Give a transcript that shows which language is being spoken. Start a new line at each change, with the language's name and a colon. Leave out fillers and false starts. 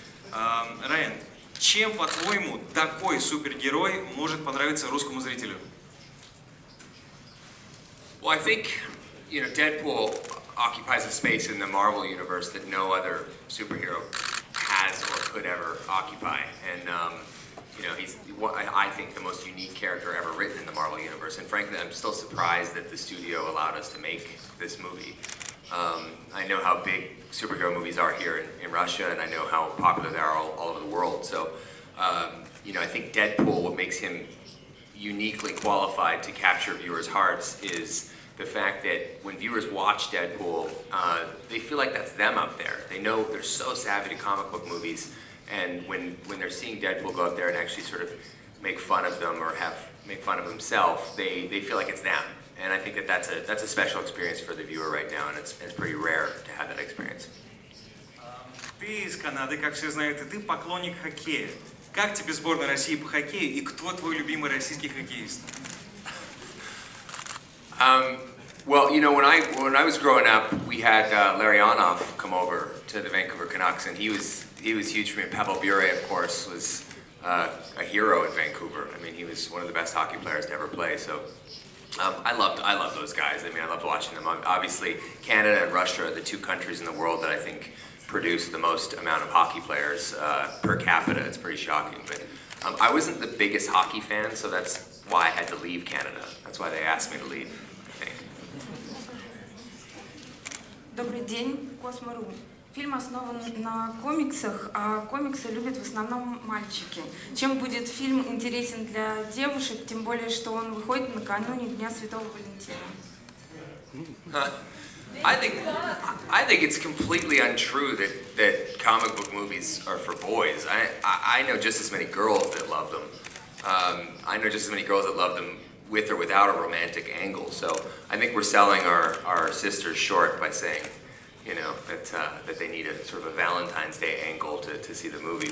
Russian: Райан, чем по-твоему такой супергерой может понравиться русскому зрителю?
English: Well, I think you know Deadpool occupies a space in the Marvel universe that no other superhero has or could ever occupy. And, you know, he's, I think, the most unique character ever written in the Marvel universe. And frankly, I'm still surprised that the studio allowed us to make this movie. I know how big superhero movies are here in Russia, and I know how popular they are all over the world. So, you know, I think Deadpool, what makes him uniquely qualified to capture viewers' hearts is the fact that when viewers watch Deadpool, they feel like that's them up there. They know they're so savvy to comic book movies, and when they're seeing Deadpool go up there and actually sort of make fun of them or make fun of himself, they feel like it's them. And I think that that's a special experience for the viewer right now, and it's pretty rare to have that experience.
Russian: Ты из Канады, как все знают, и ты поклонник хоккея. Как тебе сборная России по хоккею, и кто твой любимый российский хоккеист?
English: Well, you know, when I was growing up, we had Larionov come over to the Vancouver Canucks, and he was huge for me. Pavel Bure, of course, was a hero in Vancouver. I mean, he was one of the best hockey players to ever play. So I love those guys. I mean, I loved watching them. Obviously, Canada and Russia are the two countries in the world that I think produce the most amount of hockey players per capita. It's pretty shocking. But I wasn't the biggest hockey fan, so that's why I had to leave Canada. That's why they asked me to leave, I think.
Russian: Добрый день, Космо.ру. Фильм основан на комиксах, а комиксы любят в основном мальчики. Чем будет фильм интересен для девушек, тем более, что он выходит накануне Дня Святого Валентина?
English: I think it's completely untrue that comic book movies are for boys. I know just as many girls that love them. I know just as many girls that love them with or without a romantic angle. So I think we're selling our sisters short by saying, you know, that they need a sort of a Valentine's Day angle to see the movie.